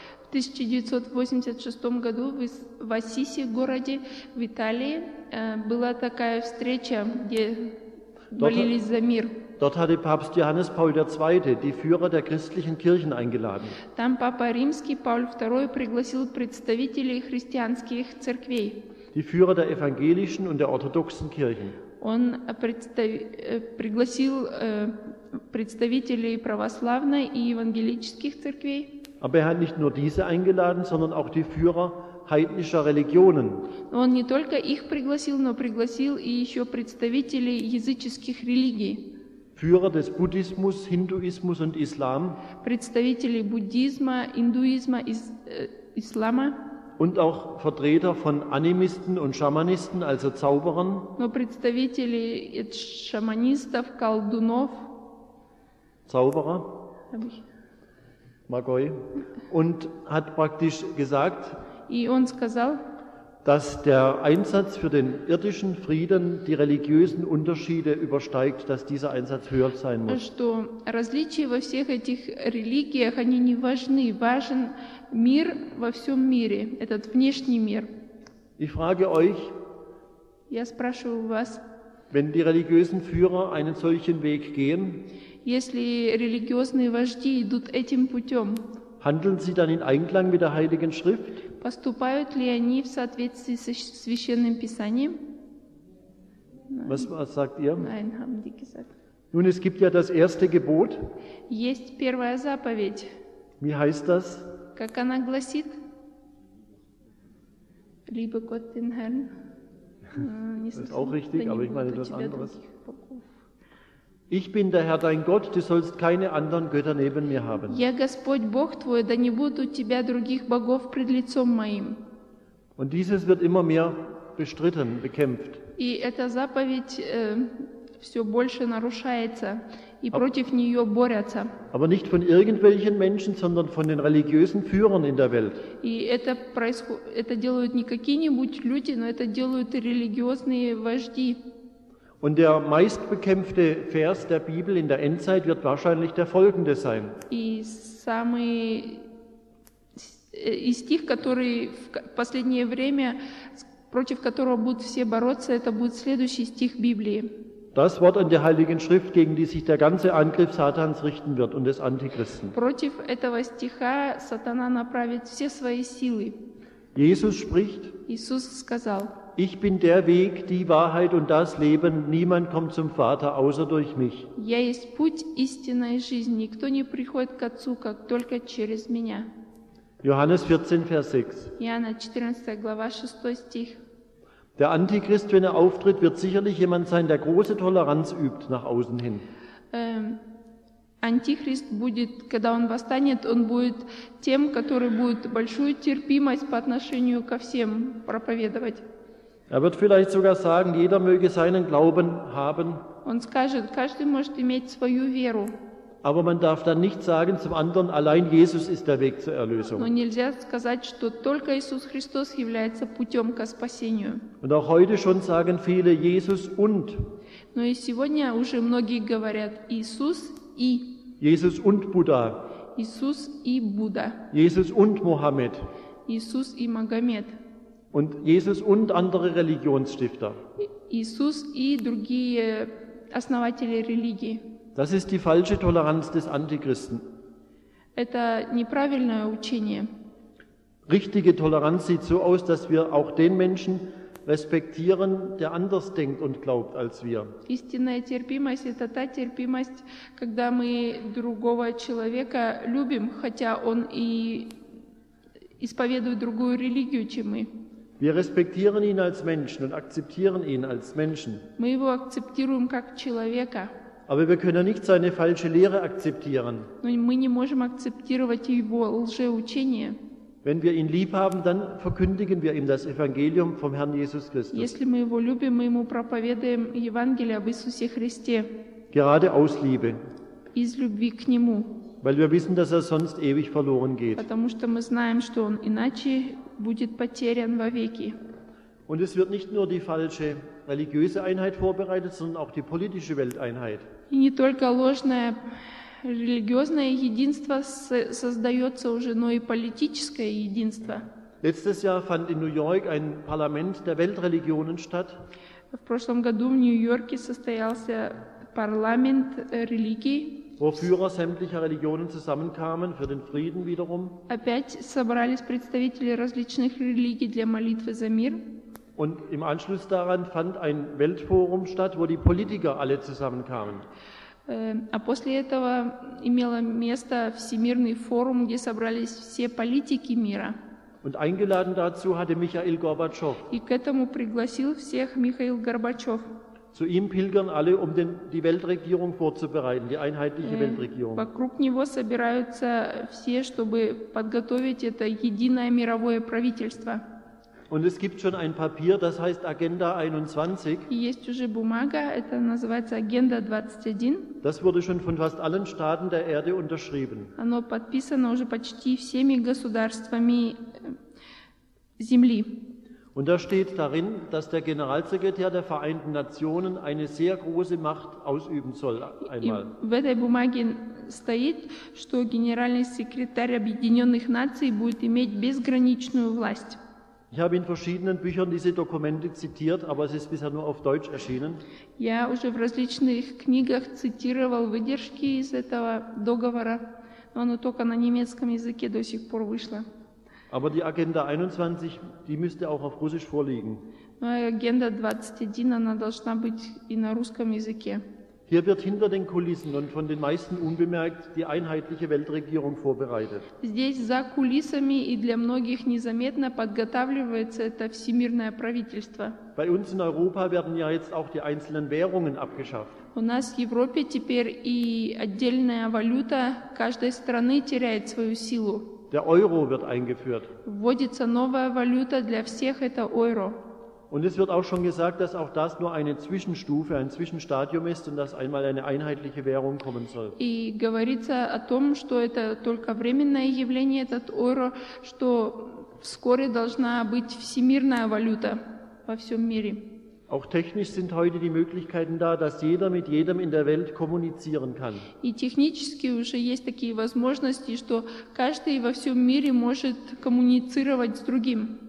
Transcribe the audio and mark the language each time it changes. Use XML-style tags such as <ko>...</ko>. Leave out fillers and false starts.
<ru>В 1986 году в Ассиси, городе в Италии, была такая встреча, где молились за мир.</ru> <de>Dort hatte Papst Johannes Paul II. Die Führer der christlichen Kirchen eingeladen.</de> <ru>Там папа римский Paul II пригласил представителей христианских церквей.</ru> <de>Die Führer der evangelischen und der orthodoxen Kirchen.</de> <ru>Он пригласил представителей православной и евангелических церквей.</ru> <de>Aber er hat nicht nur diese eingeladen, sondern auch die Führer heidnischer Religionen.</de> <ru>Он не только их пригласил, но пригласил и еще представителей языческих религий.</ru> <de>Führer des Buddhismus, Hinduismus und Islam.</de> <ru>Представители буддизма, индуизма, ислама.</ru> <de>Und auch Vertreter von Animisten und Schamanisten, also Zauberern.</de> <ru>Но представители шаманистов, колдунов.</ru> <de>Zauberer. Magoi. Und hat praktisch gesagt.</de> <ru>И он сказал.</ru> <de>Dass der Einsatz für den irdischen Frieden die religiösen Unterschiede übersteigt, dass dieser Einsatz höher sein muss.</de> <ru>Что различия во всех этих религиях они не важны, важен мир во всем мире, этот внешний мир.</ru> <de>Ich frage euch.</de> <ru>Я спрашиваю вас.</ru> <de>Wenn die religiösen Führer einen solchen Weg gehen.</de> <ru>Если религиозные вожди идут этим путем.</ru> <de>Handeln sie dann in Einklang mit der Heiligen Schrift?</de> <ru>Поступают ли они в соответствии со Священным Писанием?</ru> <de>Was sagt ihr? Nein, haben die gesagt. Nun, es gibt ja das erste Gebot.</de> <ru>Есть первая заповедь.</ru> <de>Wie heißt das?</de> <ru>Как она гласит?</ru> <de>Liebe Gott den Herrn. Das ist auch richtig, aber ich meine etwas anderes. Ich bin der Herr, dein Gott, du sollst keine anderen Götter neben mir haben.</de> <ru>Я Господь, Бог твой, да не будет у тебя других богов пред лицом моим.</ru> <de>Und dieses wird immer mehr bestritten, bekämpft.</de> <ru>И эта заповедь все больше нарушается, и против нее борются.</ru> <de>Aber nicht von irgendwelchen Menschen, sondern von den religiösen Führern in der Welt.</de> <ru>И это делают не какие-нибудь люди, но это делают религиозные вожди.</ru> <de>Und der meistbekämpfte Vers der Bibel in der Endzeit wird wahrscheinlich der folgende sein.</de> <ru>И стих, который в последнее время против которого будут все бороться, это будет следующий стих Библии.</ru> <de>Das Wort in der Heiligen Schrift, gegen die sich der ganze Angriff Satans richten wird und des Antichristen.</de> <ru>Против этого стиха сатана направит все свои силы.</ru> <de>Jesus spricht.</de> <ru>Иисус сказал.</ru> <de>Ich bin der Weg, die Wahrheit und das Leben. Niemand kommt zum Vater außer durch mich.</de> <ru>Я есть путь, истина и жизнь. Никто не приходит к Отцу, как только через меня.</ru> <de>Johannes 14, Vers 6.</de> <ru>Иоанна 14, глава 6 стих.</ru> <de>Der Antichrist, wenn er auftritt, wird sicherlich jemand sein, der große Toleranz übt nach außen hin.</de> <ru>Антихрист будет, когда он восстанет, он будет тем, который будет большую терпимость по отношению ко всем проповедовать.</ru> <de>Er wird vielleicht sogar sagen, jeder möge seinen Glauben haben.</de> <ru>Он скажет, каждый может иметь свою веру.</ru> <de>Aber man darf dann nicht sagen zum anderen, allein Jesus ist der Weg zur Erlösung.</de> <ru>Но нельзя сказать, что только Иисус Христос является путем ко спасению.</ru> <de>Und auch heute schon sagen viele Jesus und.</de> <ru>Но и сегодня уже многие говорят Иисус и.</ru> <de>Jesus und Buddha.</de> <ru>Иисус и Будда.</ru> <de>Jesus und Mohammed.</de> <ru>Иисус и Магомед.</ru> <de>Und Jesus und andere Religionsstifter.</de> <ru>Иисус и другие основатели религии.</ru> <de>Das ist die falsche Toleranz des Antichristen.</de> <ru>Это неправильное учение.</ru> <de>Richtige Toleranz sieht so aus, dass wir auch den Menschen respektieren, der anders denkt und glaubt als wir.</de> <ru>Истинная терпимость – это та терпимость, когда мы другого человека любим, хотя он и исповедует другую религию, чем мы.</ru> <de>Wir respektieren ihn als Menschen und akzeptieren ihn als Menschen.</de> <ru>Мы его акцептируем как человека.</ru> <de>Aber wir können nicht seine falsche Lehre akzeptieren.</de> <ru>Но мы не можем акцептировать его лжеучение.</ru> <de>Wenn wir ihn lieb haben, dann verkündigen wir ihm das Evangelium vom Herrn Jesus Christus.</de> <ru>Если мы его любим, мы ему проповедуем Евангелие об Иисусе Христе.</ru> <de>Gerade aus Liebe.</de> <ru>Из любви к нему.</ru> <de>Weil wir wissen, dass er sonst ewig verloren geht.</de> <ru>Потому что мы знаем, что он иначе будет потерян вовеки.</ru> <de>Und es wird nicht nur die falsche religiöse Einheit vorbereitet, sondern auch die politische Welteinheit.</de> <ru>И не только ложное религиозное единство создается уже, но и политическое единство.</ru> <de>Letztes Jahr fand in New York ein Parlament der Weltreligionen statt.</de> <ru>В прошлом году в Нью-Йорке состоялся парламент религий.</ru> <de>Wo Führer sämtlicher Religionen zusammenkamen für den Frieden wiederum.</de> <ru>Опять собрались представители различных религий для молитвы за мир.</ru> <de>Und im Anschluss daran fand ein Weltforum statt, wo die Politiker alle zusammenkamen.</de> <ru>А после этого имело место всемирный форум, где собрались все политики мира.</ru> <de>Und eingeladen dazu hatte Michail Gorbatschow.</de> <ru>И к этому пригласил всех Михаил Горбачев.</ru> <de>Zu ihm pilgern alle, um die Weltregierung vorzubereiten, die einheitliche Weltregierung.</de> <ru>Вокруг него собираются все, чтобы подготовить это единое мировое правительство.</ru> <de>Und es gibt schon ein Papier, das heißt Agenda 21.</de> <ru>Есть уже бумага, это называется Agenda 21.</ru> <de>Das wurde schon von fast allen Staaten der Erde unterschrieben.</de> <ru>Оно подписано уже почти всеми государствами Земли.</ru> <de>Und da steht darin, dass der Generalsekretär der Vereinten Nationen eine sehr große Macht ausüben soll einmal.</de> <ru>В этой бумаге стоит, что генеральный секретарь Объединенных Наций будет иметь безграничную власть.</ru> <de>Ich habe in verschiedenen Büchern diese Dokumente zitiert, aber es ist bisher nur auf Deutsch erschienen.</de> <ru>Я уже в различных книгах цитировал выдержки из этого договора, но оно только на немецком языке до сих пор вышло.</ru> <de>Aber die Agenda 21, die müsste auch auf Russisch vorliegen.</de> <ru>Agenda 21, она должна быть и на русском языке.</ru> <de>Hier wird hinter den Kulissen und von den meisten unbemerkt die einheitliche Weltregierung vorbereitet.</de> <ru>Здесь за кулисами и для многих незаметно подготавливается это всемирное правительство.</ru> <de>Bei uns in Europa werden ja jetzt auch die einzelnen Währungen abgeschafft.</de> <ru>У нас в Европе теперь и отдельная валюта каждой страны теряет свою силу.</ru> <de>Der Euro wird eingeführt.</de> <ru>Вводится новая валюта для всех, это Euro.</ru> <de>Und es wird auch schon gesagt, dass auch das nur eine Zwischenstufe, ein Zwischenstadium ist und dass einmal eine einheitliche Währung kommen soll.</de> <ru>И говорится о том, что это только временное явление, этот Euro, что вскоре должна быть всемирная валюта во всем мире.</ru> <de>Auch technisch sind heute die Möglichkeiten da, dass jeder mit jedem in der Welt kommunizieren kann.</de> <ru>И технически уже есть такие возможности, что каждый во всем мире может коммуницировать с другим.</ru>